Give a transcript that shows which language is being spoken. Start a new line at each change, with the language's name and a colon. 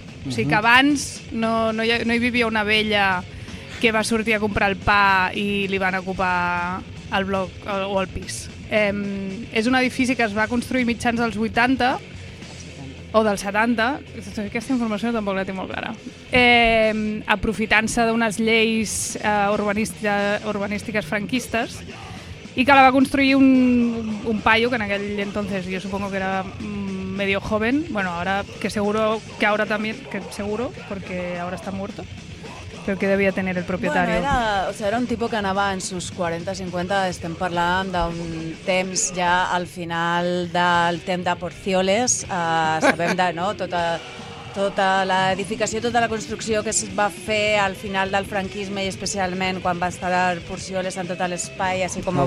Catalan: Uh-huh. O sigui que abans no hi vivia una vella que va sortir a comprar el pa i li van ocupar el bloc o el pis. És un edifici que es va construir mitjans dels 80 o dels 70. Aquesta informació tampoc la té molt clara. Aprofitant-se d'unes lleis urbanístiques franquistes i que la va construir un paio que en aquell entonces
Spanish: jo supongo que era medio joven, bueno, ahora que seguro que ahora también, que seguro, porque ahora está muerto.
Catalan: Creo que devia tenir el propietari. Bueno, era un tipus que anava
Spanish: en sus
Catalan: 40-50, estem parlant d'un temps ja al final del temps de Porcioles, sabem de no, tota l'edificació, tota la construcció que es va fer al final del franquisme i especialment quan va estar el Porcioles en tot l'espai, així com...